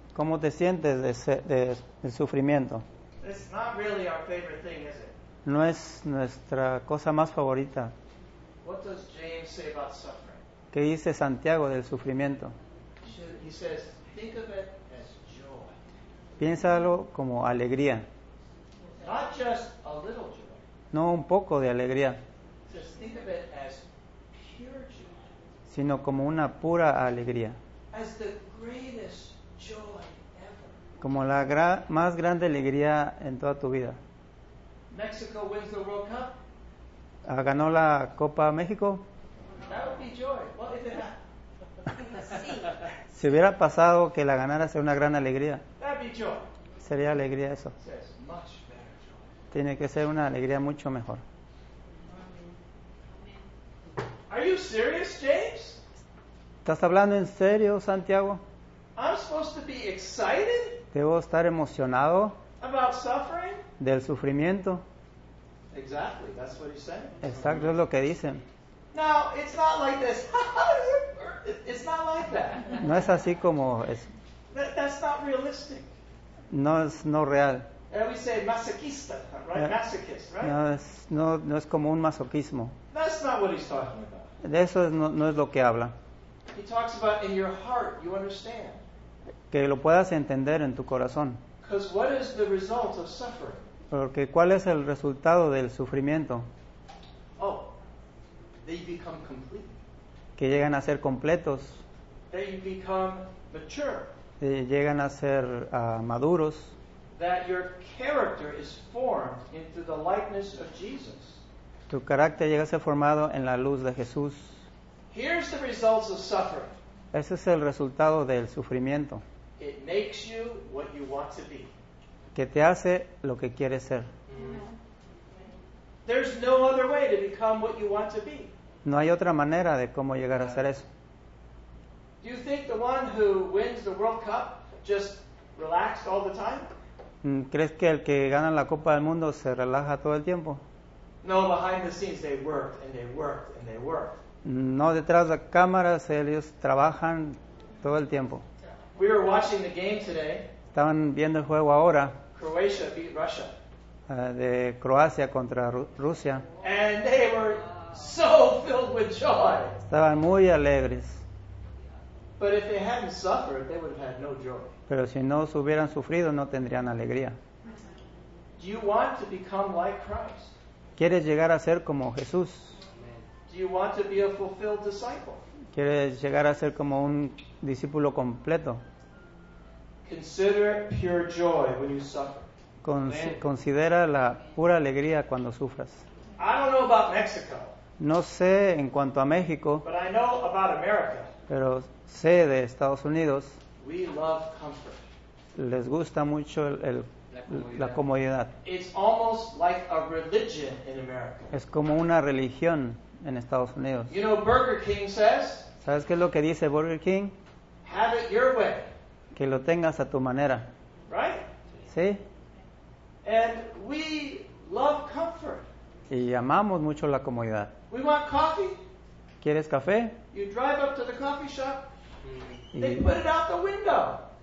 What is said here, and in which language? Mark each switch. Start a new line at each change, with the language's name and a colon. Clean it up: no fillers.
Spanish: ¿Cómo te sientes del sufrimiento?
English: It's not really our favorite thing, is it?
Spanish: No es nuestra cosa más favorita.
English: What does James say about suffering?
Spanish: ¿Qué dice Santiago del sufrimiento?
English: He says, think of it as joy.
Spanish: Piénsalo como alegría.
English: Not just a little joy.
Spanish: No un poco de alegría.
English: Just think of it as pure joy.
Spanish: Sino como una pura alegría.
English: As the greatest joy.
Spanish: Como la más grande alegría en toda tu vida.
English: Mexico wins the World Cup.
Spanish: Ganó la Copa México.
English: That would be joy. Well, if it
Spanish: si hubiera pasado que la ganara, sería una gran alegría.
English: That'd be joy.
Spanish: Sería alegría eso.
English: Much better joy.
Spanish: Tiene que ser una alegría mucho mejor.
English: Are you serious, James?
Spanish: ¿Estás hablando en serio, Santiago?
English: I'm supposed to be excited?
Spanish: ¿Debo estar emocionado
English: about suffering?
Spanish: Del sufrimiento?
English: Exactly, that's what he's saying.
Spanish: Exacto, es lo que dicen.
English: No, it's not like this. It's not like that.
Spanish: No es así como es.
English: That's not realistic.
Spanish: No es no real.
English: And we say masoquista, right? Masoquist, right?
Spanish: No es como un masoquismo.
English: That's not what he's talking about.
Spanish: De eso no es lo que habla.
English: He talks about in your heart, you understand.
Spanish: Que lo puedas entender en tu corazón.
English: What is the result of suffering?
Spanish: Porque ¿cuál es el resultado del sufrimiento?
English: Oh, they become complete.
Spanish: Que llegan a ser completos.
English: They become mature.
Spanish: Que llegan a ser maduros.
English: That your character is formed into the likeness of Jesus.
Spanish: Tu carácter llega a ser formado en la luz de Jesús.
English: Here's the results of suffering.
Spanish: Ese es el resultado del sufrimiento.
English: It makes you what you want to be.
Spanish: Que te hace lo que quieres ser.
English: There's no other way to become what you want to be.
Spanish: No hay otra manera de cómo llegar a ser eso.
English: Do you think the one who wins the World Cup just relaxed all the time?
Spanish: ¿Crees que el que gana la Copa del Mundo se relaja todo el tiempo?
English: No, behind the scenes they worked and they worked and they worked.
Spanish: No, detrás de cámaras ellos trabajan todo el tiempo.
English: We were watching the game today.
Spanish: Estaban viendo el juego ahora.
English: Croatia beat Russia.
Spanish: De Croacia contra Rusia.
English: And they were so filled with joy.
Spanish: Estaban muy alegres.
English: But if they hadn't suffered, they would have had no joy.
Spanish: Pero si no se hubieran sufrido, no tendrían alegría.
English: Do you want to become like Christ?
Spanish: ¿Quieres llegar a ser como Jesús?
English: Do you want to be a fulfilled disciple?
Spanish: ¿Quieres llegar a ser como un discípulo completo?
English: Consider pure joy when you suffer.
Spanish: Considera la pura alegría cuando sufras.
English: I don't know about Mexico,
Spanish: no sé en cuanto a México,
English: but I know about America.
Spanish: Pero sé de Estados Unidos.
English: We love comfort.
Spanish: Les gusta mucho la comodidad.
English: It's almost like a religion in America.
Spanish: Es como una religión en Estados Unidos.
English: You know, Burger King says,
Spanish: ¿sabes qué es lo que dice Burger King?
English: Have it your way.
Spanish: Que lo tengas a tu manera.
English: Right?
Spanish: Sí.
English: And we love comfort.
Spanish: Y amamos mucho la comodidad.
English: We want coffee.
Spanish: ¿Quieres café?
English: You drive up to the coffee shop. They put it out the window.